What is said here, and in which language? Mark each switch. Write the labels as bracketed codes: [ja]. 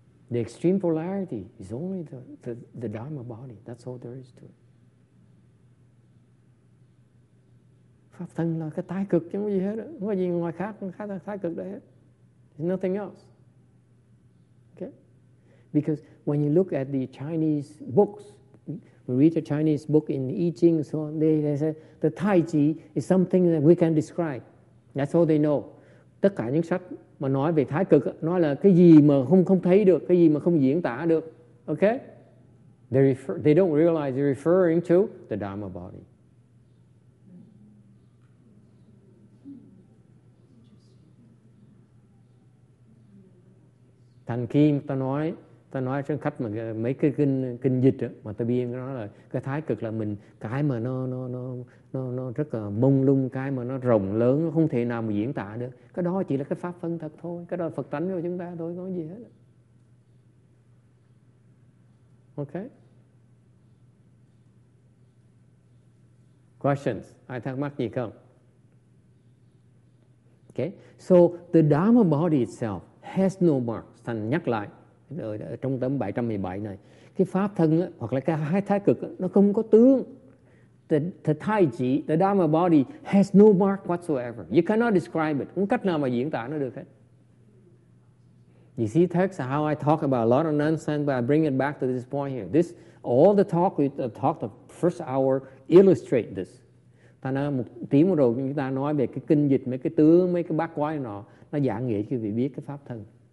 [en] The extreme polarity is only the Dharma body. That's all there is to it. [vi] Pháp thân là cái thái cực chứ không có gì hết. Không có gì ngoài khác, thái cực đấy. [en] Nothing else. Okay? Because when you look at the Chinese books, read a Chinese book in I Ching, so on, they say the Tai Chi is something that we can describe. That's all they know. [vi] Tất cả những sách mà nói về thái cực nói là cái gì mà không thấy được, cái gì mà không diễn tả được. Okay? [en] They don't realize they're referring to the Dharma body. [vi] Thành khi ta nói trên khách mà mấy cái kinh dịch đó, mà ta biên nó là cái thái cực là mình cái mà nó rất là mông lung, cái mà nó rộng lớn, không thể nào mà diễn tả được. Cái đó chỉ là cái pháp phân thật thôi, cái đó là Phật tánh của chúng ta thôi, không có gì hết. [en] Ok. Questions? [vi] Ai thắc mắc gì không? [en] Ok. So the Dharma body itself has no marks. [vi] Thành nhắc lại ở trong tấm 717 này, cái pháp thân ấy, hoặc là cái hai thái cực ấy, nó không có tướng. [en] The Tai Chi, the Dharma body has no mark whatsoever. You cannot describe it. [vi] Không cách nào mà diễn tả nó được hết. [en] You see, that's how I talk about a lot of nonsense, but I bring it back to this point here. This, all the talk we talked the first hour illustrate this. [vi] Thành ra một tiếng rồi chúng ta nói về cái kinh dịch, mấy cái tướng, mấy cái bát quái nọ, nó giảng nghĩa cho vị biết cái pháp thân.